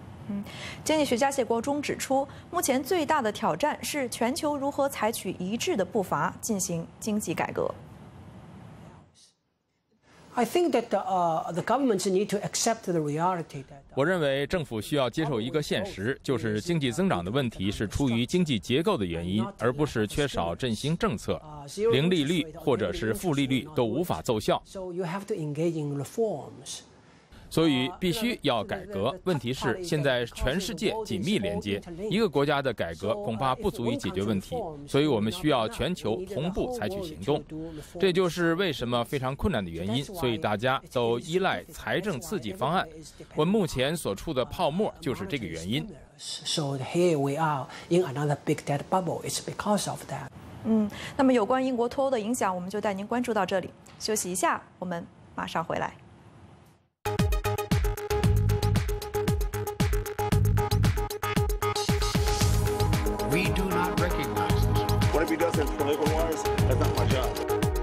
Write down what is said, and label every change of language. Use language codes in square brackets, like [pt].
[zh] 嗯，经济学家谢国忠指出，目前最大的挑战是全球如何采取一致的步伐进行经济改革。 [en] I think that the governments need to accept the reality that [zh] 我认为政府需要接受一个现实，就是经济增长的问题是出于经济结构的原因，而不是缺少振兴政策。零利率或者是负利率都无法奏效。 [en] So you have to engage in reforms. [zh] 所以必须要改革。问题是现在全世界紧密连接，一个国家的改革恐怕不足以解决问题，所以我们需要全球同步采取行动。这就是为什么非常困难的原因，所以大家都依赖财政刺激方案。我目前所处的泡沫就是这个原因。 [en] So here we are in another big debt bubble. It's because of that. [zh] 那么有关英国脱欧的影响，我们就带您关注到这里。休息一下，我们马上回来。 [en] We do not recognize this. What if he does it political wise? That's not my job.